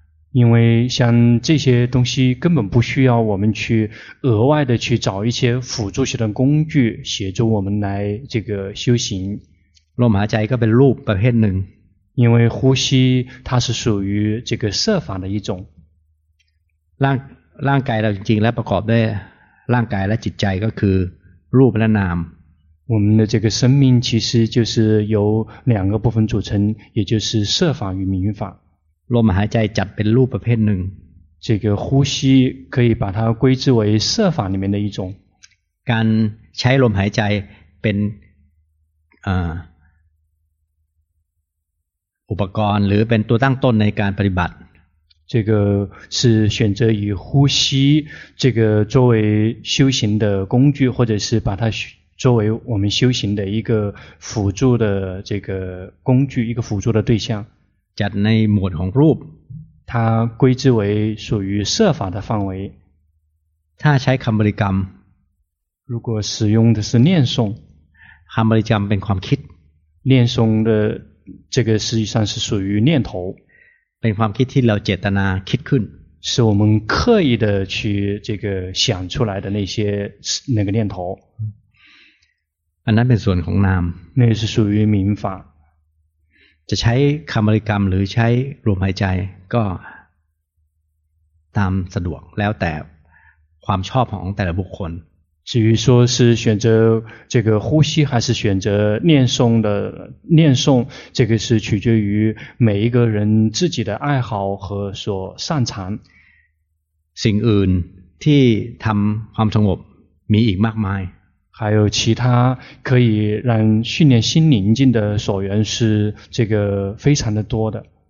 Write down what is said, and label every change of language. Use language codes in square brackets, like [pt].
[zh] 因为像这些东西根本不需要我们去额外的去找一些辅助性的工具协助我们来这个修行 [th] ลมหายใจก็เป็นรูปประเภทหนึ่ง [zh] 因为呼吸它是属于这个设法的一种 [th] ร่างกายเราจริงๆแล้วประกอบด้วยร่างกายและจิตใจก็คือรูปและนาม [zh] 我们的这个生命其实就是由两个部分组成也就是色法与名法 [th] ลมหายใจจัดเป็นรูปประเภทหนึ่ง [zh] 这个呼吸可以把它归之为色法里面的一种 [th] การใช้ลมหายใจเป็นอุปกรณ์หรือเป็นตัวตั้งต้นในการปฏิบัติ [zh] 这个是选择以呼吸这个作为修行的工具或者是把它作为我们修行的一个辅助的这个工具一个辅助的对象 [th] จัดในหมวดของรูป [zh] 它归之为属于设法的范围 [th] ถ้าใช้คำบริกรรม [zh] 如果使用的是念诵 [th] คำบริกรรมเป็นความคิด [zh] 念诵的这个实际上是属于念头 [th] เป็นความคิดที่เราเจตนาคิดขึ้น [zh] 是我们刻意的去这个想出来的那个念头 [th] อันนั้นเป็นส่วนของนาม [zh] 那是属于名法 [th] จะใช้คำบริกรรมหรือใช้ลมหายใจก็ตามสะดวกแล้วแต่ความชอบของแต่ละบุคคล [zh] 至于说是选择这个呼吸还是选择念诵的念诵这个是取决于每一个人自己的爱好和所擅长 [th] สิ่งอื่นที่ทำความสงบมีอีกมากมาย [zh] 还有其他可以让训练心宁静的所缘是这个非常的多的